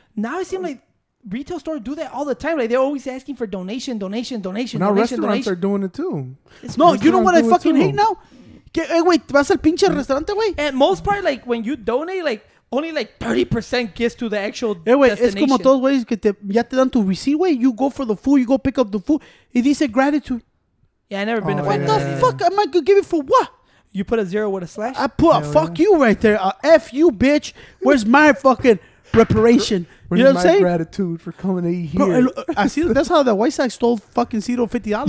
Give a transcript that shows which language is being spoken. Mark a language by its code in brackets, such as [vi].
[en] Now it seems like retail stores do that all the time. Like they're always asking for donation. Now restaurants are doing it too. No, you know what I fucking hate now? Wait, [es] vas al pinche restaurante, güey? [en] At most part, like when you donate, like only like 30% gets to the actual destination. [es] Es como todos güeyes que te ya te dan tu receipt, güey. [en] You go for the food, you go pick up the food. [es] Y dice gratitude. [en] Yeah, I never been to what the fuck am I gonna give it for what? You put a zero with a slash? I put a fuck you right there. F you, bitch. Where's my fucking reparation? You know what I'm saying? Gratitude for coming to eat here. Bro, I see that's how the White Sox stole fucking Ciro $50.